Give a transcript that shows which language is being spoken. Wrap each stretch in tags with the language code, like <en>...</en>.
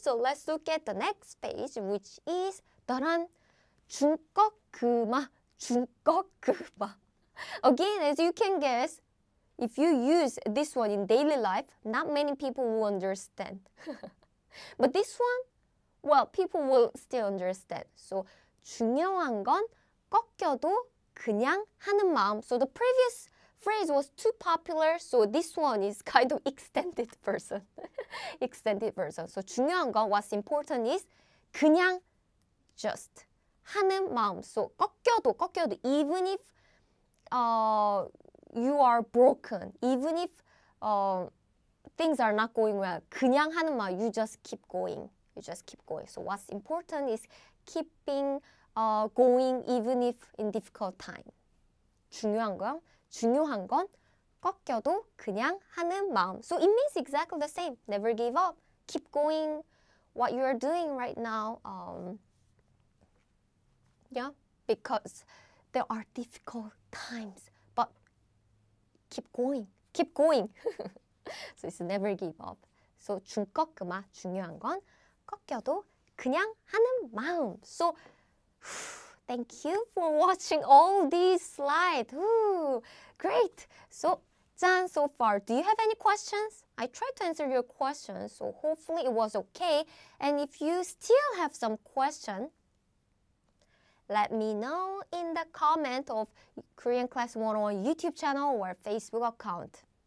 <en>So let's look at the next page, which is ta-dan!</en> <ko>중꺽그마. 중꺽그마.</ko> <en>Again, as you can guess, if you use this one in daily life, not many people will understand. But this one, well, people will still understand.</en> <ko>So 중요한 건 꺾여도 그냥 하는 마음.</ko> <en>So the previous phrase was too popular, so this one is kind of extended version. Extended version. So</en> <ko>중요한 건,</ko> <en>what's important is</en> <ko>그냥</ko> <en>just</en> <ko>하는 마음.</ko> <en>So</en> <ko>꺾여도</ko> <en>even if you are broken, even if things are not going well,</en> <ko>그냥 하는 마음,</ko> <en>you just keep going. So what's important is keeping going even if in difficult time.</en> <ko>중요한 건 꺾여도 그냥 하는 마음.</ko> <en>So it means exactly the same. Never give up. Keep going what you are doing right now. Because there are difficult times. But keep going. So it's never give up.</en> <ko>So 중꺾음아, 중요한 건 꺾여도 그냥 하는 마음.</ko> <en>So thank you for watching all these slides. Great. So, done so far. Do you have any questions? I tried to answer your questions, so hopefully it was okay. And if you still have some questions, let me know in the comment of Korean Class 101 YouTube channel or Facebook account.</en>